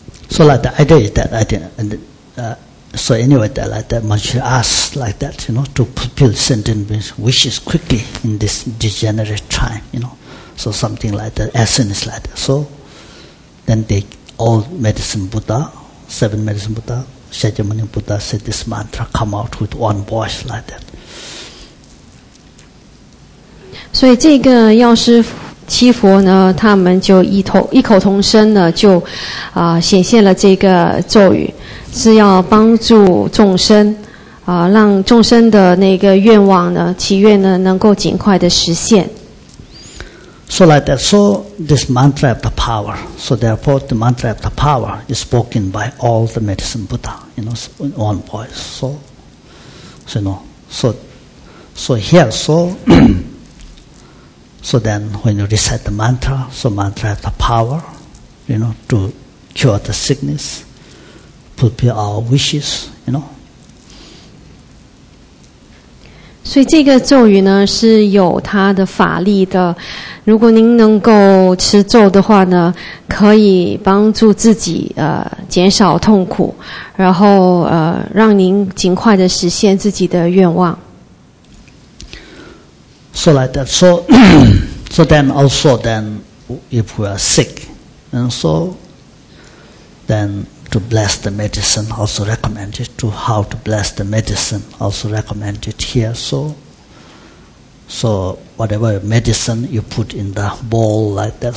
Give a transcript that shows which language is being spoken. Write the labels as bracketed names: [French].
[English] So like that, I did it that, I didn't. So anyway, that, like that, much ask like that, you know, to fulfill sentient beings' wishes quickly in this degenerate time, you know. So something like that, essence like that. So then they, all medicine Buddha, seven medicine Buddha, Shakyamuni Buddha said this mantra, come out with one voice like that. [Chinese] So this 七佛呢，他们就一口同声呢，就显现了这个咒语，是要帮助众生，让众生的那个愿望呢，祈愿呢，能够尽快的实现。So [English] like that, so this mantra of the power, so therefore the mantra of the power is spoken by all the medicine Buddha, you know, in one voice. So here. So then when you recite the mantra, so mantra has the power, you know, to cure the sickness, fulfill our wishes, you know. [Chinese] 所以这个咒语呢是有它的法力的，如果您能够持咒的话呢，可以帮助自己减少痛苦，然后让您尽快的实现自己的愿望。 [English] So like that. So, so then also then, if we are sick, and so then to bless the medicine also recommended. To how to bless the medicine also recommended here. So whatever medicine you put in the bowl like that.